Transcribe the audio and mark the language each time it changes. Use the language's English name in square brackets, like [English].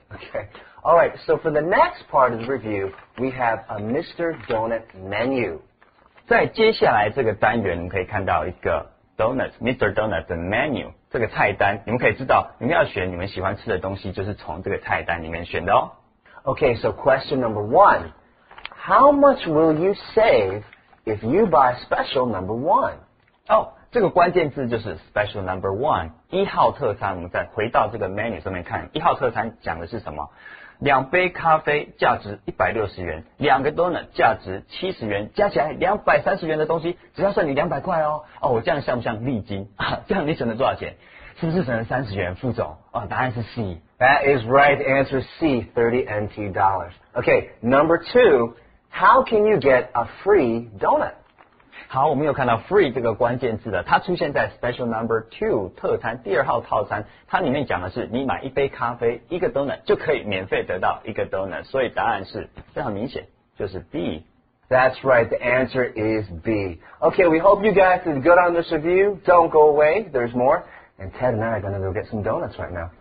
[English] Okay, all right. So for the next part of the review, we have a Mr. Donut menu. [Chinese] 在接下来这个单元，你可以看到一个 donut， Mr. Donut 的 menu。这个菜单你们可以知道你们要选你们喜欢吃的东西就是从这个菜单里面选的哦。 [English] Okay, so question number one. How much will you save if you buy special number one? [Chinese] 哦，这个关键字就是 [English] special number one， [Chinese] 一号特餐。我们再回到这个 menu 上面看，一号特餐讲的是什么？两杯咖啡价值160元，两个 donut 价值70元，加起来230元的东西只要算你200块哦。哦，我这样像不像利金、啊、这样你省了多少钱？是不是省了30元副总、哦、答案是 C。 [English] That is right, answer C, $30 NT. Okay, number two, how can you get a free donut? [Chinese] 好，我们又看到 free 这个关键字了，它出现在 [English] special number two [Chinese] 特餐第二号套餐，它里面讲的是你买一杯咖啡一个 donut 就可以免费得到一个 donut， 所以答案是非常明显，就是 B。 [English] That's right, the answer is B. Okay, we hope you guys did good on this review. Don't go away, there's more. And Ted and I are going to go get some donuts right now.